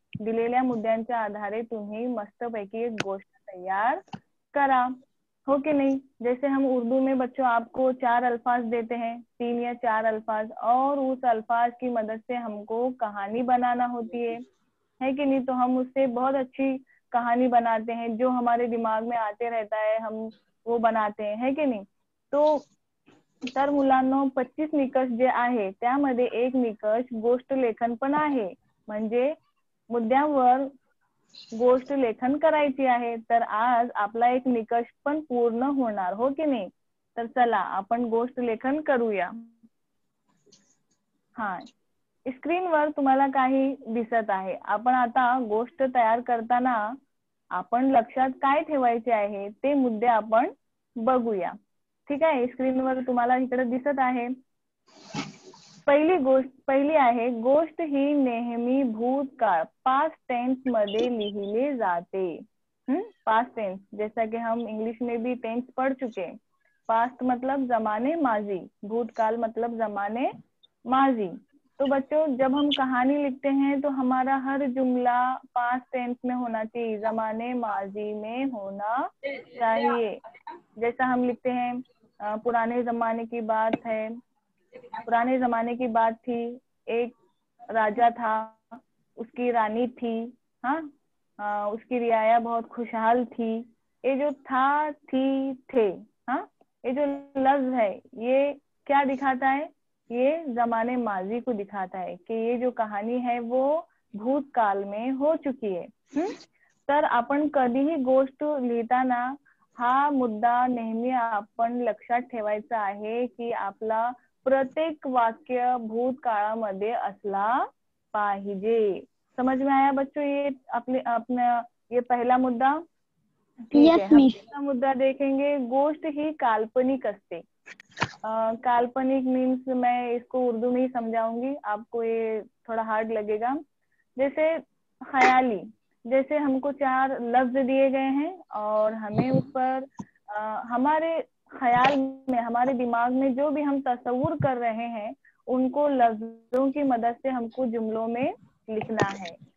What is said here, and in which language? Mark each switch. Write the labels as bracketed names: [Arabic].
[Marathi] दिलेल्या मुद्द्यांच्या आधारे तुम्ही मस्तपैकी एक गोष्ट तयार करा. हो की नाही? [Hindi] जैसे हम उर्दू में बच्चों आपको चार अल्फाज देते हैं, तीन या चार अल्फाज, और उस अल्फाज की मदद से हमको कहानी बनाना होती है कि नहीं? तो हम उससे बहुत अच्छी कहानी बनाते हैं जो हमारे दिमाग में आते रहता है, हम वो बनाते हैं, है कि नहीं? [Marathi] तो तर मुलांनो 25 निकष जे आहे त्यामध्ये एक निकष गोष्ट लेखन पण आहे. म्हणजे मुद्द्यांवर गोष्ट लेखन करायची आहे. तर आज आपला एक निकष पण पूर्ण होणार. हो की नाही? तर चला आपण गोष्ट लेखन करूया. हाँ स्क्रीन वर तुम्हाला काही दिसत आहे। आपण आता गोष्ट तयार करताना आपण लक्षात काय ठेवायचे आहे ते मुद्दे आपण बघूया। ठीक आहे, स्क्रीन वर तुम्हाला इकडे दिसत आहे। पहिली आहे, गोष्ट ही नेहमी भूतकाळ पास्ट टेन्स मध्ये लिहिले जाते। [Hindi] पास्ट टेन्स, जैसा कि हम इंग्लिश में भी टेन्स पढ़ चुके। पास्ट मतलब जमाने माजी, भूतकाल मतलब जमाने माजी। तो बच्चों जब हम कहानी लिखते हैं तो हमारा हर जुमला पास्ट टेंस में होना चाहिए, जमाने माजी में होना चाहिए। जैसा हम लिखते हैं पुराने जमाने की बात है, पुराने जमाने की बात थी, एक राजा था, उसकी रानी थी, हाँ उसकी रियाया बहुत खुशहाल थी। ये जो था थी थे, हाँ ये जो लफ्ज है ये क्या दिखाता है, ये जमाने माजी को दिखाता है कि ये जो कहानी है वो भूतकाल में हो चुकी है। [Marathi] तर आपण कधी ही गोष्ट लिहिता ना हा मुद्दा नेहमी आपण लक्षात ठेवायचा आहे कि आपला प्रत्येक वाक्य भूतकाळामध्ये असला पाहिजे। [Hindi] समझ में आया बच्चों ये अपने अपना ये पहला मुद्दा? ठीक है, दूसरा मुद्दा देखेंगे, [Marathi] गोष्ट ही काल्पनिक असते। [Hindi] काल्पनिक मीन्स मैं इसको उर्दू में ही समझाऊंगी, आपको ये थोड़ा हार्ड लगेगा। जैसे ख्याली, जैसे हमको चार लफ्ज दिए गए हैं और हमें उस पर हमारे ख्याल में, हमारे दिमाग में जो भी हम तस्वीर कर रहे हैं उनको लफ्जों की मदद से हमको जुमलों में लिखना है।